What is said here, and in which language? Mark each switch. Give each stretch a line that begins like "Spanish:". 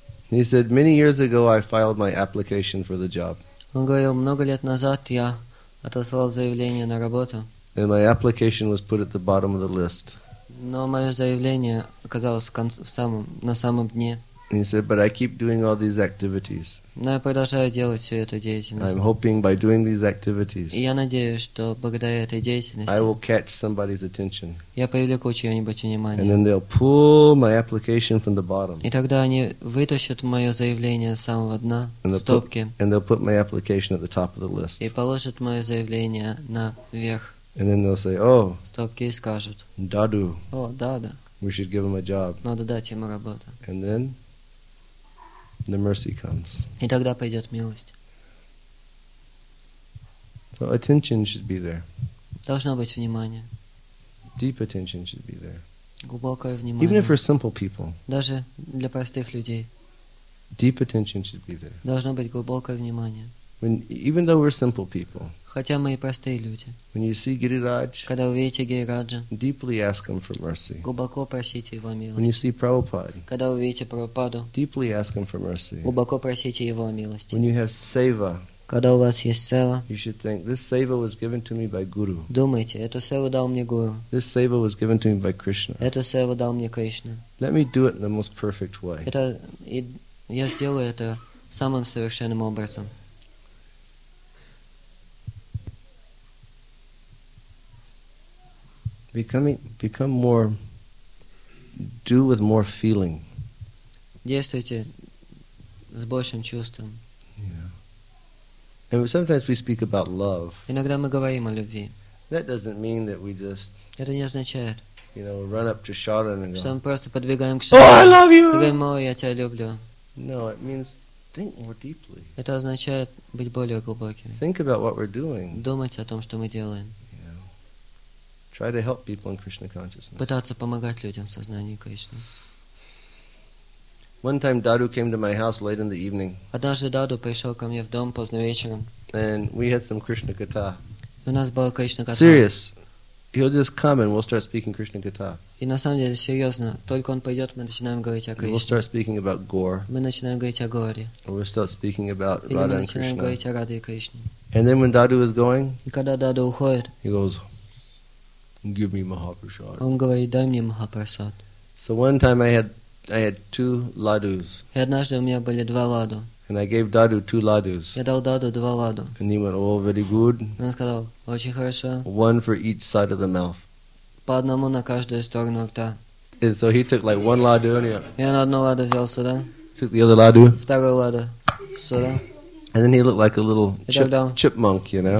English: He said, many years ago I filed my application for the job.
Russian: Он говорил, много лет назад я отослал заявление на работу.
English: And my application was put at the bottom of the list.
Russian: Но мое заявление оказалось на самом дне.
English: He said, but I keep doing all these activities.
Russian: Но я продолжаю делать всю эту деятельность.
English: I'm hoping by doing these activities.
Russian: И я надеюсь, что благодаря этой деятельности.
English: I will catch somebody's attention.
Russian: Я привлеку чьё-нибудь внимание.
English: And then they'll pull my application from the bottom.
Russian: И тогда они вытащат мое заявление с самого дна, стопки.
English: And they'll put my application at the top of the list.
Russian: И положат мое заявление наверх.
English: And then they'll say, oh.
Russian: Стопки скажут. Даду. О, да-да.
English: We should give him a job.
Russian: Надо дать ему работу.
English: And then. The mercy comes.
Russian: И тогда пойдет милость.
English: So attention should be there.
Russian: Должно быть внимание.
English: Deep attention should be there.
Russian: Глубокое внимание.
English: Even if for simple people.
Russian: Даже для простых людей.
English: Deep attention should be there.
Russian: Должно быть глубокое внимание.
English: When, even though we're simple people.
Russian: Хотя мы и простые люди.
English: When you see Гирирадж.
Russian: Когда вы видите Гирираджа.
English: Deeply ask him for mercy.
Russian: Глубоко просите его милости.
English: When you see Prabhupada.
Russian: Когда вы видите Прабхупаду.
English: Deeply ask him for mercy.
Russian: Глубоко просите его милости.
English: When you have seva.
Russian: Когда у вас есть сева.
English: You should think this seva was given to me by Guru.
Russian: Думайте, эту севу дал мне Гуру.
English: This seva was given to me by Krishna.
Russian: Эту севу дал мне Кришна.
English: Let me do it in the most perfect way.
Russian: Это я сделаю это самым совершенным образом.
English: Become more. Do with more feeling.
Russian: Действуйте с большим чувством.
English: Yeah. And sometimes we speak about love.
Russian: Иногда мы говорим о любви.
English: That doesn't mean that we just.
Russian: Это не означает.
English: You know, run up to Sharon and go.
Russian: Что мы просто подбегаем к Шарлотте.
English: Oh, I love you.
Russian: И говорим, о, я тебя люблю.
English: No, it means think more deeply.
Russian: Это означает быть более глубоким.
English: Think about what we're doing.
Russian: Думать о том, что мы делаем.
English: Try to help people in Krishna consciousness.
Russian: Пытаться помогать людям в сознании Кришны.
English: One time Dadu came to my house late in the evening.
Russian: Однажды Даду пришел ко мне в дом поздно вечером.
English: And we had some Krishna katha.
Russian: У нас была Кришна катха.
English: Serious. He'll just come and we'll start speaking Krishna katha.
Russian: И на самом деле серьезно, только он пойдет, мы начинаем говорить о Кришне.
English: We'll start speaking about Gore.
Russian: Мы начинаем говорить о Горе.
English: Or we'll start speaking about Radha and Krishna.
Russian: Или мы начинаем говорить о Раде и Кришне.
English: And then when Dadu is going.
Russian: И когда Даду уходит.
English: He goes. Give me Mahaprasad.
Russian: Он говорит, дай мне Махапрасад.
English: So one time I had two ладус.
Russian: И однажды у меня были два ладу.
English: And I gave Dadu two ладус.
Russian: Я дал Даду два ладу.
English: And he went, oh, very good.
Russian: Он сказал, очень хорошо.
English: One for each side of the mouth.
Russian: По одному на каждую сторону рта.
English: And so he took like one ладу and
Russian: я на одну ладу взял сюда.
English: Took the other ладу.
Russian: Вторую ладу сюда.
English: And then he looked like a little chipmunk, you know.